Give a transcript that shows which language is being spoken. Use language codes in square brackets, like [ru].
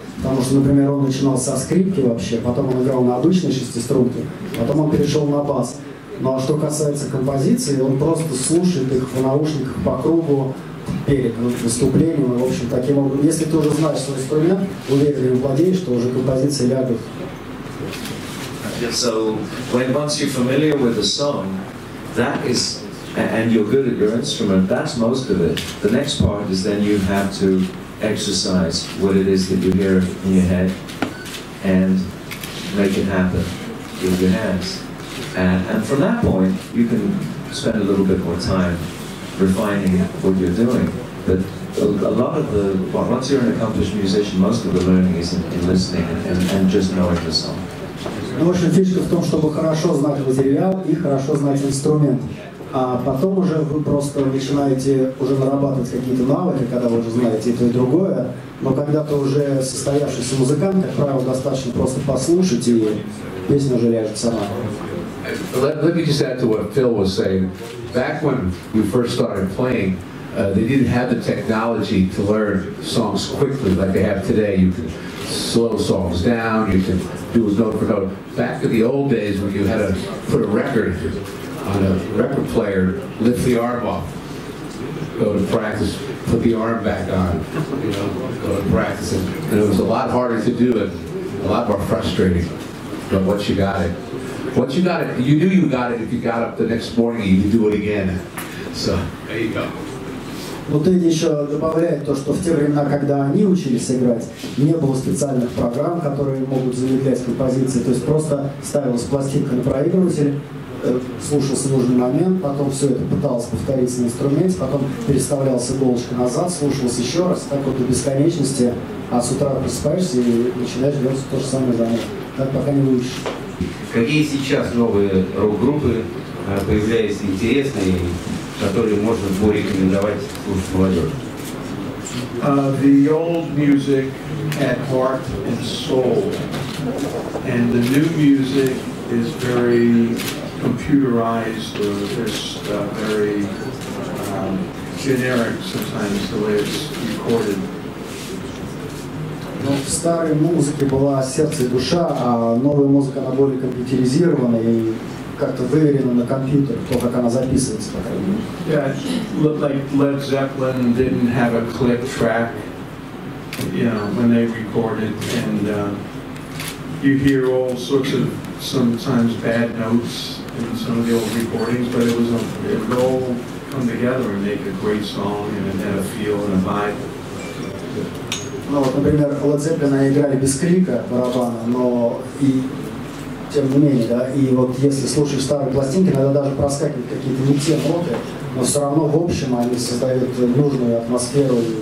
[ru] Потому что, например, он начинал со скрипки вообще, потом он играл на обычной шестиструнке, потом он перешел на бас. Ну, а что касается композиции, он просто слушает их в наушниках по кругу перед выступлением. И, в общем, таким образом, если ты уже знаешь свой инструмент, уверенно им владеешь, то уже композиция лягут. [en] So when once you're familiar with a song, that is, and you're good at your instrument, that's most of it. The next part is then you have to exercise what it is that you hear in your head and make it happen with your hands. And from that point, you can spend a little bit more time refining what you're doing. But a lot of the, well, once you're an accomplished musician, most of the learning is in listening and just knowing the song. [ru] Ну, в общем, фишка в том, чтобы хорошо знать материал и хорошо знать инструмент. А потом уже вы просто начинаете уже нарабатывать какие-то навыки, когда вы уже знаете и то, и другое. Но когда ты уже состоявшийся музыкант, как правило, достаточно просто послушать, и песня уже ляжет сама. [en] Let me just add to what Phil was saying. Back when we first started playing, they didn't have the technology to learn songs quickly like they have today. You can slow songs down, you can do a note for note. Back in the old days when you had to put a record on a record player, lift the arm off, go to practice, put the arm back on, you know, go to practice. And it was a lot harder to do it, a lot more frustrating. But once you got it, you knew you got it if you got up the next morning and you do it again. So, there you go. [ru] Вот Эдди еще добавляет то, что в те времена, когда они учились играть, не было специальных программ, которые могут замедлять композиции. То есть просто ставилась пластинка на проигрыватель, слушался нужный момент, потом все это пыталось повториться на инструменте, потом переставлялся иголочка назад, слушался еще раз, так вот до бесконечности, а с утра просыпаешься и начинаешь делать то же самое занятие. Так пока не выучишь. Какие сейчас новые рок-группы появляются интересные, которые можно порекомендовать слушать молодежи? [en] The old music had heart and soul. And the new music is very computerized or just very generic sometimes the way it's recorded. [ru] Ну, в старой музыке была сердце и душа, а новая музыка, она более компьютеризирована и как-то выверено на компьютер, то, как она записывается, по крайней мере. [en] Yeah, looked like Led Zeppelin didn't have a clip track, you know, when they recorded, and you hear all sorts of sometimes bad notes in some of the old recordings, but it was a, it would all come together and make a great song, and it had a feel and a vibe. [ru] Ну, вот, например, Led Zeppelin играли без крика барабана, но и тем не менее, да, и вот если слушаешь старые пластинки, иногда даже проскакивают какие-то не те ноты, но все равно в общем они создают нужную атмосферу.